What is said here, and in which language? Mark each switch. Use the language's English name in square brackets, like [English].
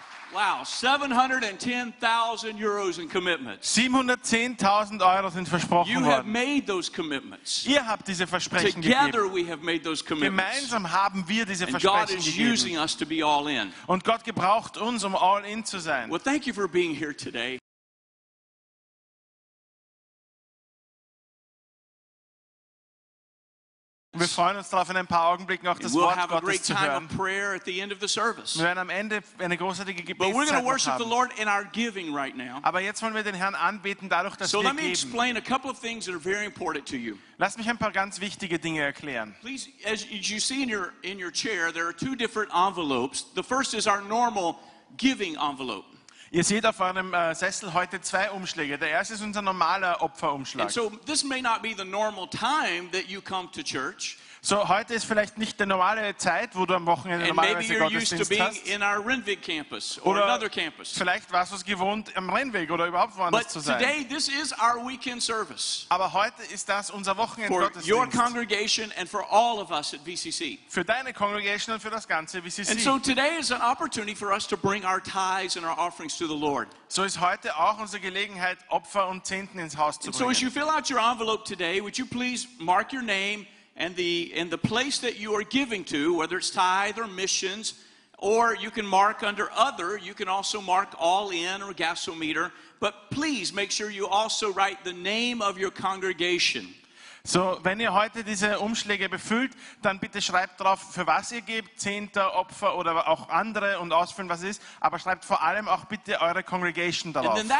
[English] Wow, 710,000 euros in commitments. [German] 710,000 Euro sind versprochen worden. [English] You have made those commitments. [German] Ihr habt diese Versprechen gegeben. [English] Together we have made those commitments. [German] Gemeinsam haben wir diese Versprechen gegeben. [English] And God is using us to be all in. [German] Und Gott gebraucht uns, um all in zu sein. [English] Well, thank you for being here today. [German] Wir freuen uns darauf, in ein paar Augenblicken auch das Wort Gottes zu hören. Wir werden am Ende eine großartige Gebetszeit haben. Aber jetzt wollen wir den Herrn anbeten, dadurch, dass wir geben. [English] So let me explain a couple of things that are very important to you. [German] Lass mich ein paar ganz wichtige Dinge erklären. [English] Please, as you see in your chair, there are two different envelopes. The first is our normal giving envelope. [German] Ihr seht auf eurem Sessel heute zwei Umschläge. Der erste ist unser normaler Opferumschlag. [English] And so this may not be the normal time that you come to church. [German] So heute ist vielleicht nicht der normale Zeit, wo du am Wochenende normalerweise Gottesdienst hast. [English] And maybe you're used to being in our Renwick campus or another campus. [German] Vielleicht warst du es gewohnt, am Renwick oder überhaupt woanders zu sein. [English] But today this is our weekend service. [German] Aber heute ist das unser Wochenend-Gottesdienst. [English] For your congregation and for all of us at VCC. [German] Für deine Congregation und für das ganze VCC. [English] And so today is an opportunity for us to bring our tithes and our offerings to the Lord. [German] So ist heute auch unsere Gelegenheit, Opfer und Zehnten ins Haus zu bringen. [English] So as you fill out your envelope today, would you please mark your name and the place that you are giving to, whether it's tithe or missions, or you can mark under other, you can also mark all in or gasometer, but please make sure you also write the name of your congregation. [German] So, wenn ihr heute diese Umschläge befüllt, dann bitte schreibt drauf, für was ihr gebt, Zehnter, Opfer oder auch andere und ausfüllen, was es ist. Aber schreibt vor allem auch bitte eure Congregation darauf.